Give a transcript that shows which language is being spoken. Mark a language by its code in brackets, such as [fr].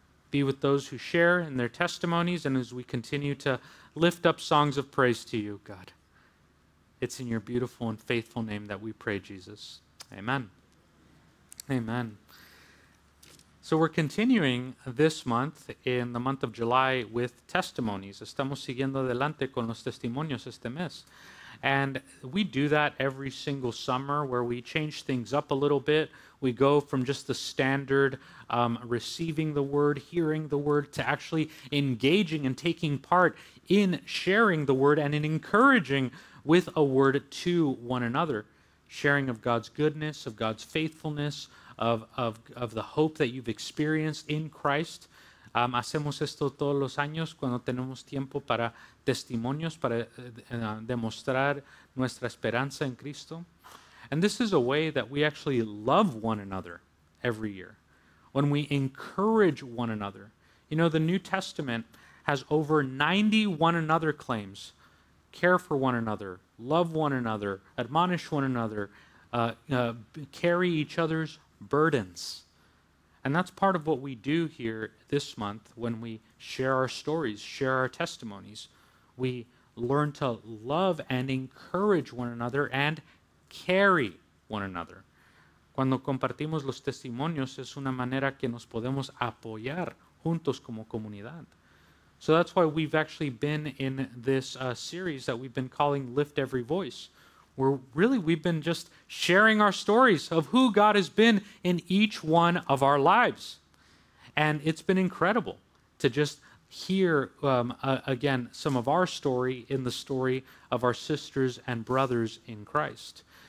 [en] Be with those who share in their testimonies and as we continue to lift up songs of praise to you, God. It's in your beautiful and faithful name that we pray, Jesus. Amen. Amen. So we're continuing this month, in the month of July, with testimonies. [es] Estamos siguiendo adelante con los testimonios este mes. [en] And we do that every single summer, where we change things up a little bit. We go from just the standard receiving the word, hearing the word, to actually engaging and taking part in sharing the word and in encouraging with a word to one another, sharing of God's goodness, of God's faithfulness, of the hope that you've experienced in Christ. [es] Hacemos esto todos los años cuando tenemos tiempo para testimonios, para demostrar nuestra esperanza en Cristo. [en] And this is a way that we actually love one another every year, when we encourage one another. You know, the New Testament has over 90 one another claims. Care for one another, love one another, admonish one another, carry each other's burdens. And that's part of what we do here this month when we share our stories, share our testimonies. We learn to love and encourage one another and carry one another. [es] Cuando compartimos los testimonios, es una manera que nos podemos apoyar juntos como comunidad. [en] So that's why we've actually been in this series that we've been calling Lift Every Voice, where really we've been just sharing our stories of who God has been in each one of our lives. And it's been incredible to just hear, again, some of our story in the story of our sisters and brothers in Christ.